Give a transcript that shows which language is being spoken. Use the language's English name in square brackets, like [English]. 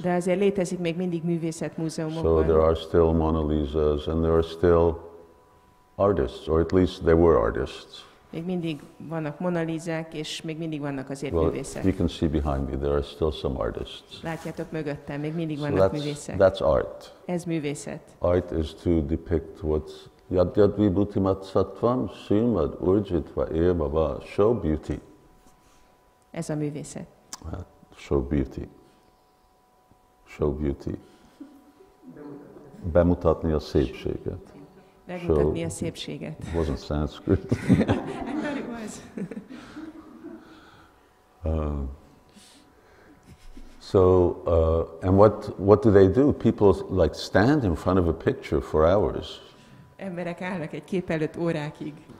[Hungarian] De azért létezik még mindig művészet múzeumokban. [English] So there are still Mona Lisas and there are still artists, or at least there were artists. [Hungarian] Még mindig vannak Mona Lisák és még mindig vannak azért művészek. [English] Well, you can see behind me there are still some artists. [Hungarian] Látjátok mögöttem még mindig [English] so [Hungarian] vannak művészek. [English] That's art. [Hungarian] Ez művészet. [English] Art is to depict what's [Sanskrit] Yad-yad vibhutimat sattvam, srimad urjitva eva-va, [English] show beauty. [Hungarian] Ez a művészet. [English] Show beauty. Show beauty. [Hungarian] Bemutatni a szépséget. Bemutatni a szépséget. [English] It wasn't Sanskrit. I thought it was. So what do they do? People like stand in front of a picture for hours. [Hungarian] Emberek állnak egy kép előtt órákig.